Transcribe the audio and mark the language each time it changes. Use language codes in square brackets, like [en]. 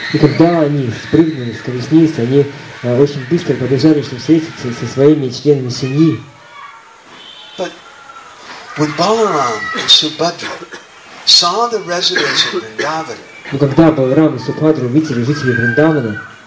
[ru] И когда они спрыгнули с колесницы, они очень быстро побежали, чтобы встретиться со своими членами семьи. [en] But when Balaram and Subhadra saw the residents of Vrindavan, [ru] но когда Баларам и Субхадра увидели жителей Вриндавана,